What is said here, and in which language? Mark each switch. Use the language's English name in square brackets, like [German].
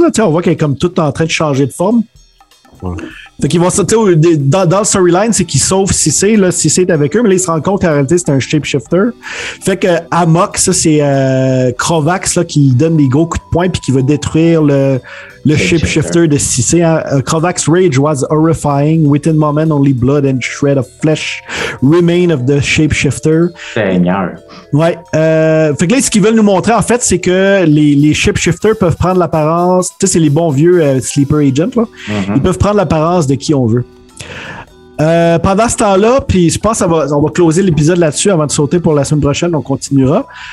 [French] Là, on voit qu'elle est comme tout en train de changer de forme. Fait qu'ils vont sauter dans le storyline, c'est qu'ils sauvent Cissé, là, Cissé est avec eux, mais là, ils se rendent compte qu'en réalité, c'est un shapeshifter. Fait que Amok, ça, c'est Krovax, là, qui donne des gros coups de poing puis qui va détruire le shapeshifter de Cissé. [English] Krovax rage was horrifying. Within moment, only blood and shred of flesh remain of the shapeshifter. [French] Seigneur. Ouais. Fait que là, ce qu'ils veulent nous montrer, en fait, c'est que les shapeshifters peuvent prendre l'apparence. Tu sais, c'est les bons vieux Sleeper Agent, là. Mm-hmm. Ils peuvent prendre l'apparence de qui on veut. Pendant ce temps-là, puis je pense qu'on va closer l'épisode là-dessus avant de sauter pour la semaine prochaine, on continuera.